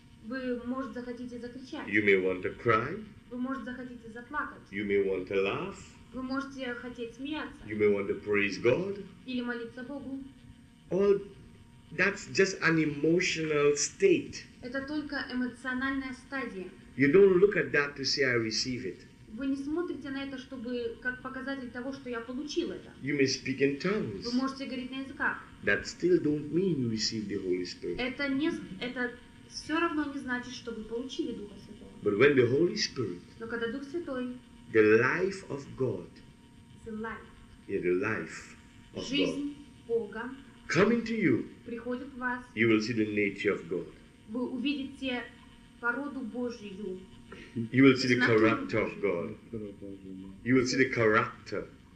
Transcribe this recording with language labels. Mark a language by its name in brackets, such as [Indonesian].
[Russian] Вы, может, захотите закричать. [English] You may want to cry. [Russian] Вы, может, захотите заплакать. [English] You may want to laugh. [Russian] Вы можете хотеть смеяться. [English] You may want to praise God. [Russian] Или молиться Богу. [English] All that's just an emotional state. [Russian] Это только эмоциональная стадия. [English] You don't look at that to say I receive it. [Russian] Вы не смотрите на это, чтобы как показатель того, что я получил это. [English] You may speak in tongues. [Russian] Вы можете говорить на языках. [English] That still don't mean you receive the Holy Spirit. [Russian] Это все равно не значит, что вы получили Духа Святого. [English] But when the Holy Spirit. [Russian] Но когда Дух Святой. [English] The life of God. The life. Yeah, the life of [Russian] жизнь [English] God. [Russian] Жизнь Бога. [English] Coming to you. [Russian] Приходит в вас. [English] You will see the nature of God. [Russian] Вы увидите породу Божию. [English] You will see the character of God. You will see the character.